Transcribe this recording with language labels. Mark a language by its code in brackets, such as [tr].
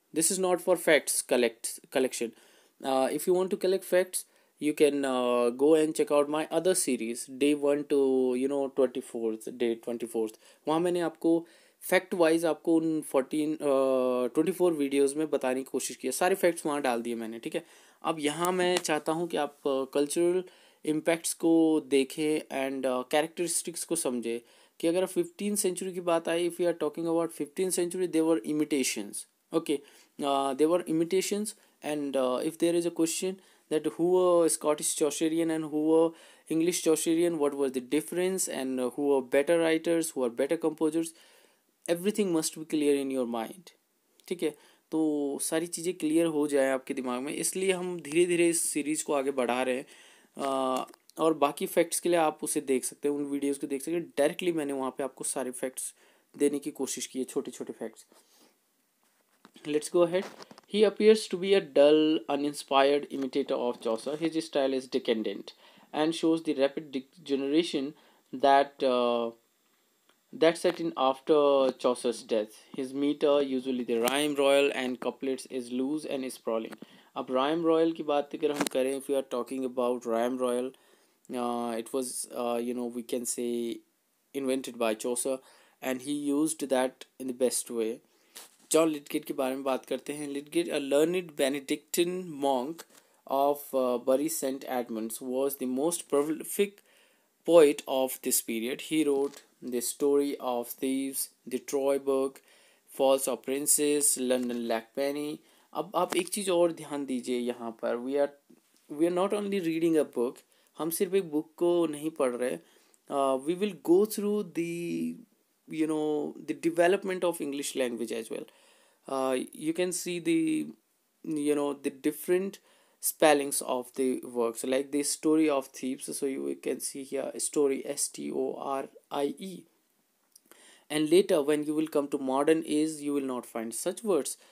[en] This is not for facts collection. If you want to collect facts, you can go and check out my other series, day 1 to you know 24th, day 24th. [hi] वहाँ मैंने आपको [en] fact wise [hi] आपको उन 24 videos में बताने की कोशिश की है, सारे facts वहाँ डाल दिए मैंने, ठीक है। अब यहाँ मैं चाहता हूँ कि आप cultural impacts को देखें [en] and characteristics [hi] को समझें, कि अगर 15th century की बात आई, [en] if we are talking about 15th century, they were imitations, okay, they were imitations, and if there is a question that who a Scottish Chaucerian and who a English Chaucerian, what was the difference, and who are better writers, who are better composers, everything must be clear in your mind, [hi] ठीक है। तो सारी चीज़ें clear हो जाए आपके दिमाग में, इसलिए हम धीरे धीरे इस सीरीज़ को आगे बढ़ा रहे हैं। और बाकी फैक्ट्स के लिए आप उसे देख सकते हैं, उन वीडियोज़ को देख सकते हैं, डायरेक्टली मैंने वहाँ पर आपको सारे फैक्ट्स देने की कोशिश की है, छोटे छोटे facts. [en] Let's go ahead. He appears to be a dull, uninspired imitator of Chaucer. His style is decadent and shows the rapid degeneration that set in after Chaucer's death. His meter, usually the rhyme royal and couplets, is loose and sprawling. [hi] Ab rhyme royal ki baat agar hum kare, [en] if we are talking about rhyme royal, it was we can say invented by Chaucer, and he used that in the best way. [hi] John लिडगेट के बारे में बात करते हैं। [en] Lydgate a learned Benedictine monk of Bury Saint Edmunds was the most prolific poet of this period. He wrote the story of thieves, the Troy book, falls of princes, London Lackpenny. [hi] अब आप एक चीज़ और ध्यान दीजिए यहाँ पर, [en] we are not only reading a book, [hi] हम सिर्फ एक बुक को नहीं पढ़ रहे, [en] We will go through the you know the development of English language as well. You can see the the different spellings of the works, like the story of thieves. So you can see here story, s-t-o-r-i-e, and later when you will come to modern age, you will not find such words.